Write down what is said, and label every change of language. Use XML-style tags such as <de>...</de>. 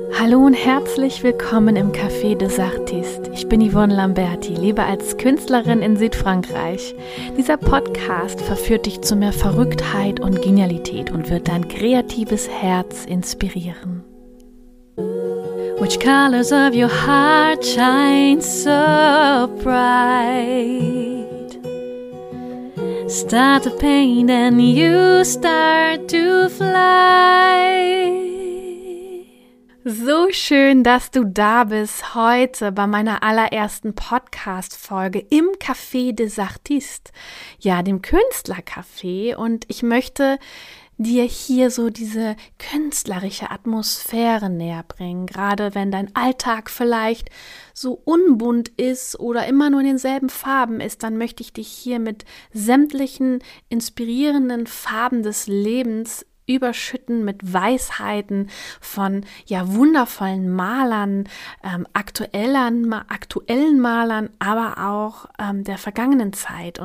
<de>Hallo und herzlich willkommen im Café des Artistes. Ich bin Yvonne Lamberti, lebe als Künstlerin in Südfrankreich. Dieser Podcast verführt dich zu mehr Verrücktheit und Genialität und wird dein kreatives Herz inspirieren.</de> <en>Which colors of your heart shine so bright? Start to paint and you start to fly.</en> <de>So schön, dass du da bist heute bei meiner allerersten Podcast-Folge im Café des Artistes, ja, dem Künstlercafé. Und ich möchte dir hier so diese künstlerische Atmosphäre näher bringen, gerade wenn dein Alltag vielleicht so unbunt ist oder immer nur in denselben Farben ist, dann möchte ich dich hier mit sämtlichen inspirierenden Farben des Lebens überschütten mit Weisheiten von ja wundervollen Malern, aktuellen Malern, aber auch der vergangenen Zeit.</de>